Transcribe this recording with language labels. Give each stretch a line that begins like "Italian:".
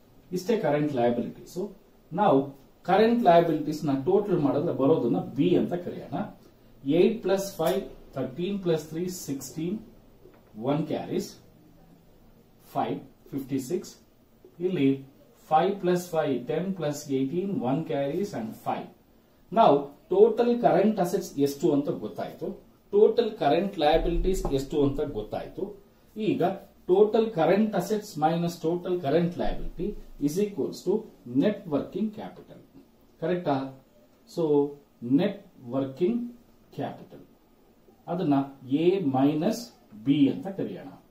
Kannada: ಇಷ್ಟೇ current liabilities. ನಾವು current liabilities ನ ಟೋಟಲ್ ಮಾಡಿದ್ರೆ ಬರೋದನ್ನ ಬಿ ಅಂತ ಕರೆಯೋಣ. 8+5 13+3 16 1 carries 5 56 ಇಲ್ಲಿ 5+5 10+18 1 carries and 5. ನಾವು ಟೋಟಲ್ ಕರೆಂಟ್ ಅಸೆಟ್ಸ್ ಎಷ್ಟು ಅಂತ ಗೊತ್ತಾಯ್ತು, ಟೋಟಲ್ ಕರೆಂಟ್ ಲಯಬಿಲಿಟೀಸ್ ಎಷ್ಟು ಅಂತ ಗೊತ್ತಾಯ್ತು.
English: ಈಗ total current assets minus total current liability is equals to net working capital, correct?
Kannada: So net working capital ಅದನ್ನ ಎ ಮೈನಸ್ ಬಿ ಅಂತ ಕರೆಯೋಣ.